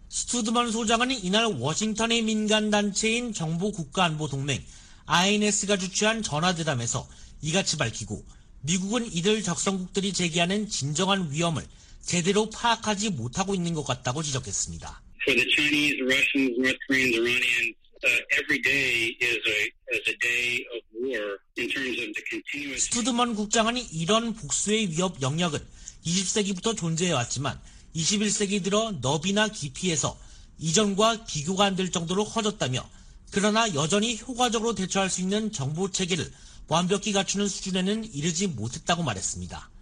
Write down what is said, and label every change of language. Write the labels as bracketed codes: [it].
[ko] 스튜드먼 소장은 이날 워싱턴의 민간단체인 정보국가안보동맹 INS가 주최한 전화대담에서 이같이 밝히고 미국은 이들 적성국들이 제기하는 진정한 위험을 제대로 파악하지 못하고 있는 것 같다고 지적했습니다. [en] For the Chinese, Russians, North Koreans, Iranians, every day is a day of war in terms of the continuous. [ko] 스튜드먼 국장은 이런 복수의 위협 영역은 20세기부터 존재해왔지만 21세기 들어 너비나 깊이에서 이전과 비교가 안 될 정도로 커졌다며 그러나 여전히 효과적으로 대처할 수 있는 정보 체계를 완벽히 갖추는 수준에는 이르지 못했다고 말했습니다.